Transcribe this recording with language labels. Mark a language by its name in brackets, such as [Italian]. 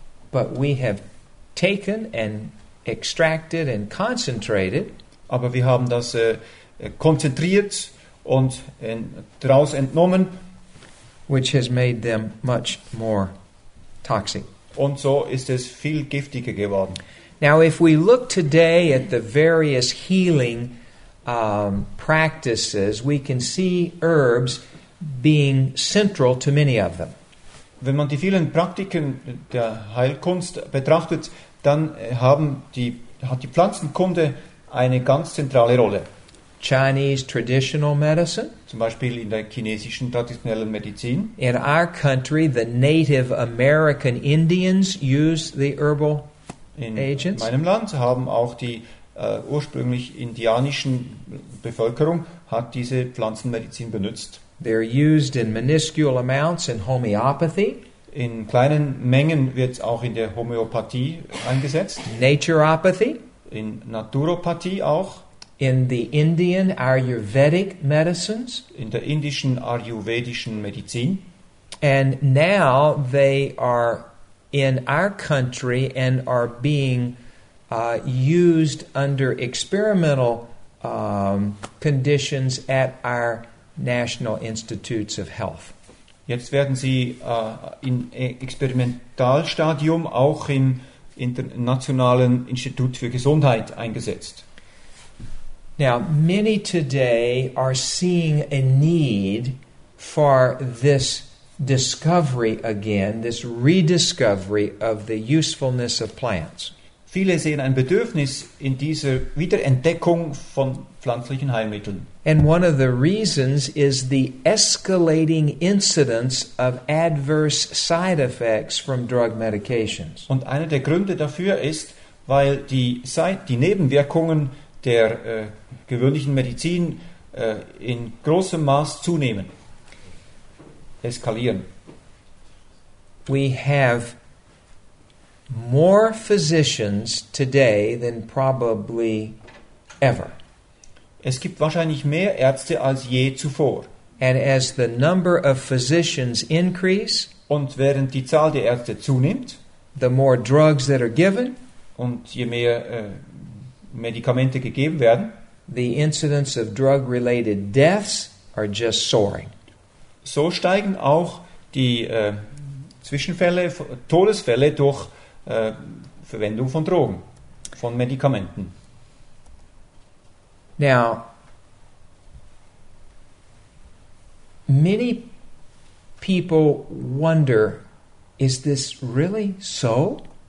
[English] But we have taken and extracted and concentrated. [German] Aber wir haben das konzentriert und daraus entnommen. [English] Which has made them much more toxic. [German] Und so ist es viel giftiger geworden. [English] Now, if we look today at the various healing practices, we can see herbs being central to many of them. [German] Wenn man die vielen Praktiken der Heilkunst betrachtet, dann hat die Pflanzenkunde eine ganz zentrale Rolle. [English] Chinese traditional medicine. [German] Zum Beispiel in der chinesischen traditionellen Medizin. [English] In our country, the Native American Indians use the herbal agents. [German] In meinem Land haben auch die ursprünglich indianischen Bevölkerung hat diese Pflanzenmedizin benutzt. [English] They're used in minuscule amounts in homeopathy. [German] In kleinen Mengen wird es auch in der Homöopathie eingesetzt. [English] Naturopathy. [German] In Naturopathie auch. [English] In the Indian Ayurvedic medicines. [German] In der indischen ayurvedischen Medizin. [English] And now they are in our country and are being used under experimental conditions at our National Institutes of Health. [German] Jetzt werden sie in Experimentalstadium auch im Internationalen Institut für Gesundheit eingesetzt. [English] Now, many today are seeing a need for this discovery again, this rediscovery of the usefulness of plants. [German] Viele sehen ein Bedürfnis in dieser Wiederentdeckung von pflanzlichen Heilmitteln. [English] And one of the reasons is the escalating incidence of adverse side effects from drug medications. [German] Und einer der Gründe dafür ist, weil die Nebenwirkungen der gewöhnlichen Medizin in großem Maß zunehmen, eskalieren. [English] We have more physicians today than probably ever. [German] Es gibt wahrscheinlich mehr Ärzte als je zuvor. [English] And as the number of physicians increase, [German] und während die Zahl der Ärzte zunimmt, [English] the more drugs that are given, [German] und je mehr Medikamente gegeben werden, [English] the incidence of drug-related deaths are just soaring. [German] So steigen auch die Zwischenfälle, Todesfälle durch Verwendung von Drogen, von Medikamenten. [English] Now, many people wonder, is this really so?